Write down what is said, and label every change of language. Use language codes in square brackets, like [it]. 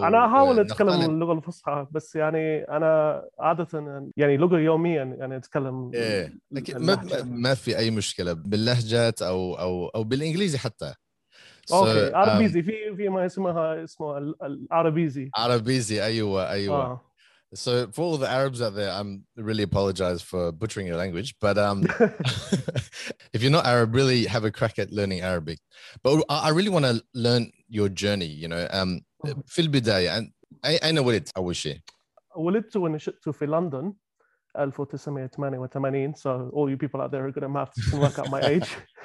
[ar] أنا أحاول أتكلم اللغة الفصحى بس يعني أنا عادة يعني لغة يوميا يعني أتكلم. إيه. لكن ما في أي مشكلة باللهجات أو أو أو بالإنجليزي حتى. أوكي. عربيزي في ما اسمه العربيزي. عربيزي أيوة. [en] So for all the Arabs out there, I'm really apologize for butchering your language. But if you're not Arab, really have a crack at learning Arabic. But I really want to learn your journey, you know. [ar] في البداية, أين ولدت أول شيء؟ ولدت ونشأت في لندن 1988. [en] So all you people out there are good at maths and work out my age.